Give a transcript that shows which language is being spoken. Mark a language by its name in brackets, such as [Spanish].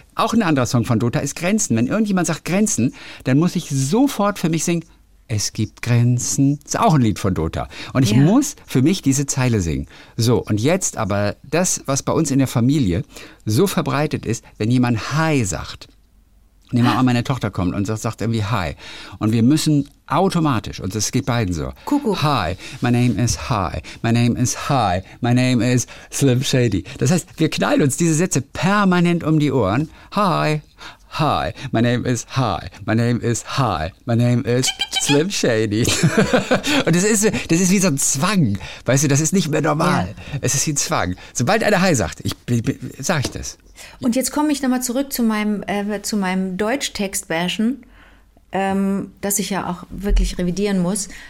[German] Auch ein anderer Song von Dota ist Grenzen. Wenn irgendjemand sagt Grenzen, dann muss ich sofort für mich singen, es gibt Grenzen, ist auch ein Lied von Dota. Und ich muss für mich diese Zeile singen. So, und jetzt aber das, was bei uns in der Familie so verbreitet ist, wenn jemand Hi sagt, nehmen wir mal, meine Tochter kommt und sagt irgendwie Hi. Und wir müssen automatisch, und es geht beiden so, Kuckuck. [English] Hi, my name is Hi, my name is Hi, my name is Slim Shady. [German] Das heißt, wir knallen uns diese Sätze permanent um die Ohren. [English] Hi, Hi, my name is Hi, my name is Hi, my name is Slim Shady. [German] Und das ist wie so ein Zwang, weißt du, das ist nicht mehr normal. Ja. Es ist wie ein Zwang. Sobald einer Hi sagt, sag ich das. Und jetzt komme ich nochmal zurück zu meinem Deutsch-Text-Bashen, das ich ja auch wirklich revidieren muss.